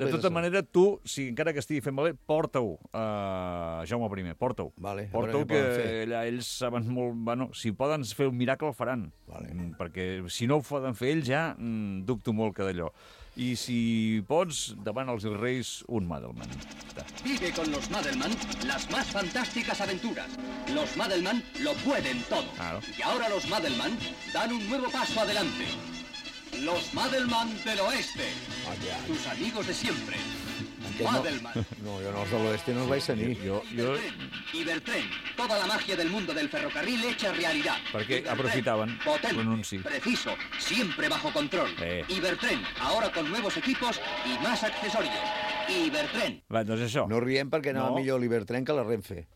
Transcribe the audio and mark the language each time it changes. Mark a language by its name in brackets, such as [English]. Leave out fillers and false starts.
[Catalan] De tota manera, tu, si encara que estigui fent malbé, porta-ho a Jaume I, porta-ho. Vale, porta-ho, que allà ells saben molt... Bueno, si poden fer un miracle, el faran. Vale. Perquè si no ho poden fer ells, ja dubto molt que d'allò. I si pots, demana als Reis un Madelman. [Spanish] Vive con los Madelman las más fantásticas aventuras. Los Madelman lo pueden todo. [Catalan] Ah, no? [Spanish] Y ahora los Madelman dan un nuevo paso adelante. Los Madelman del Oeste. [Catalan] Allà. [Spanish] Tus amigos de siempre. [Catalan] No, jo no, els de l'Oeste no els vaig tenir. [Spanish] Ibertren, toda la magia del mundo del ferrocarril hecha realidad. [Catalan] Perquè aprofitaven l'anunci. [Spanish] Preciso, siempre bajo control. Ibertren, ahora con nuevos equipos y más accesorios. Ibertren. [Catalan] Va, doncs això. No riem perquè anava millor l'Ibertren que la Renfe.